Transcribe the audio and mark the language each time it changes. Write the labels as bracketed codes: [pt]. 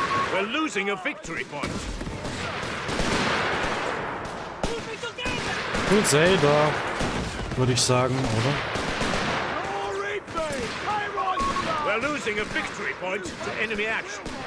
[en] We're losing a victory point. [de] Gut, Zelda, würde ich sagen, oder? [en] We're losing a victory point to enemy action.